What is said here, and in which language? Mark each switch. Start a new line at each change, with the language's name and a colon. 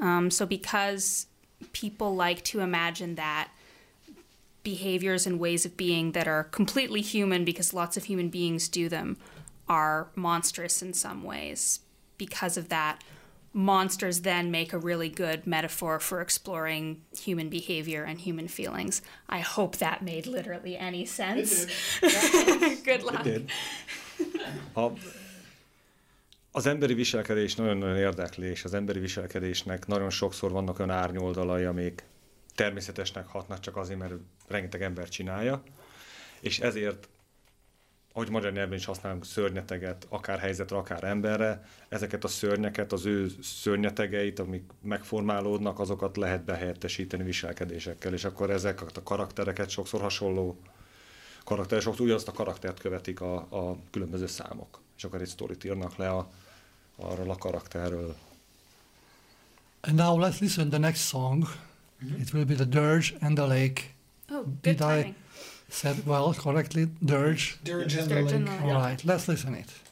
English: So because people like to imagine that behaviors and ways of being that are completely human because lots of human beings do them are monstrous in some ways. Because of that, monsters then make a really good metaphor for exploring human behavior and human feelings. I hope that made literally any sense. Good luck.
Hungarian: Az emberi viselkedés nagyon-nagyon érdekli, és az emberi viselkedésnek nagyon sokszor vannak olyan árnyoldalai, amik természetesnek hatnak csak azért, mert rengeteg ember csinálja, és ezért, ahogy magyar nyelvben is használunk szörnyeteget, akár helyzetre, akár emberre, ezeket a szörnyeket, az ő szörnyetegeit, amik megformálódnak, azokat lehet behelyettesíteni viselkedésekkel, és akkor ezek a karaktereket sokszor hasonló karakterek, sokszor ugyanazt a karaktert követik a különböző számok, és akkor egy sztorit írnak le arról a karakterről.
English: And now let's listen to the next song. It will be the dirge and the lake. Oh, good timing. I said well correctly? Dirge. Dirge and the lake. And all right, let's listen it.